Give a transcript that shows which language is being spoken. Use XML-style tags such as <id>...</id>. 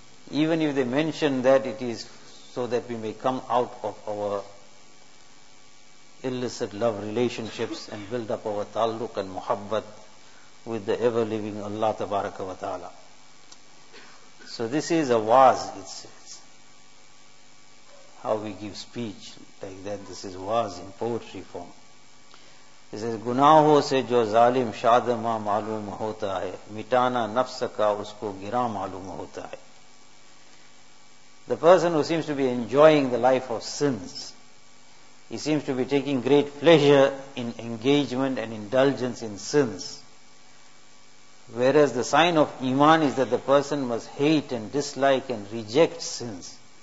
<en>Even if they mention that, it is so that we may come out of our illicit love relationships and build up our taluk and muhabbat with the ever-living Allah Tabaraka wa Ta'ala. So this is a waz, it says. How we give speech like that, this is waz in poetry form. He says,</en> <ur>گناہوں سے جو ظالم شادما معلوم ہوتا ہے، مٹانا نفس کا اس کو گرا معلوم ہوتا ہے.</ur> <en>The person who seems to be enjoying the life of sins, he seems to be taking great pleasure in engagement and indulgence in sins. Whereas the sign of iman is that the person must hate and dislike and reject sins.</en>